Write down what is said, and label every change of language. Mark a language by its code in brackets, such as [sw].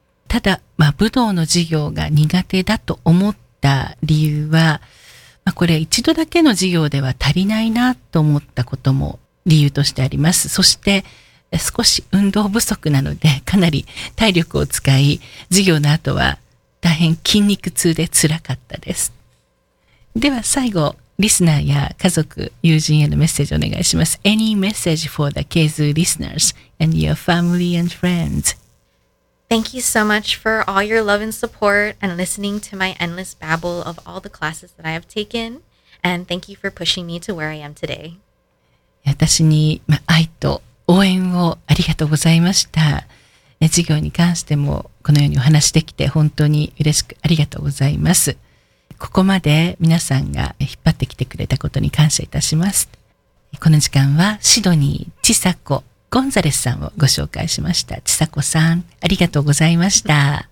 [ja] ただ、まあ、武道の授業が苦手だと思った理由は、まあ、これ一度だけの授業では足りないなと思ったことも理由としてあります。そして、少し運動不足なので、かなり体力を使い、授業の後は大変筋肉痛で辛かったです。では最後、リスナーや家族、友人へのメッセージお願いします。 [en] Any message for the KZU listeners and your family and friends? Thank you so much for all your love and support and listening to my endless babble of all the classes that I have taken. And thank you for pushing me to where I am today. [ja] 私に愛と応援をありがとうございました。授業に関してもこのようにお話できて本当に嬉しくありがとうございます。ここまで皆さんが引っ張ってきてくれたことに感謝いたします。この時間はシドニー千佐子。ゴンザレスさんをご紹介しました。ちさこさん、ありがとうございました。